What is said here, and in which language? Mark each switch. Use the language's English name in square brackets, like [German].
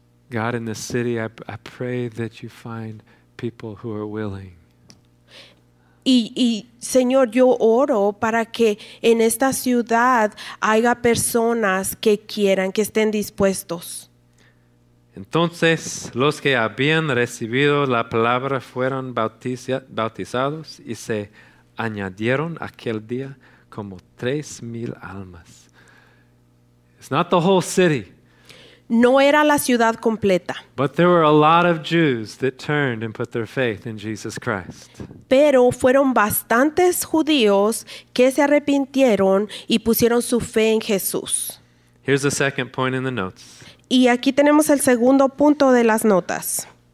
[English] God, in this city, I pray that you find people who are willing. [Spanish] Y Señor, yo oro para que en esta ciudad haya personas que quieran, que estén dispuestos. Entonces, los que habían recibido la palabra fueron bautizados y se añadieron aquel día como 3,000 almas. [English] It's not the whole city. [Spanish] No era la ciudad completa. [English] But there were a lot of Jews that turned and put their faith in Jesus Christ. [Spanish] Pero fueron bastantes judíos que se arrepintieron y pusieron su fe en Jesús. [English] Here's the second point in the notes. [Spanish] Y aquí tenemos el segundo punto de las notas.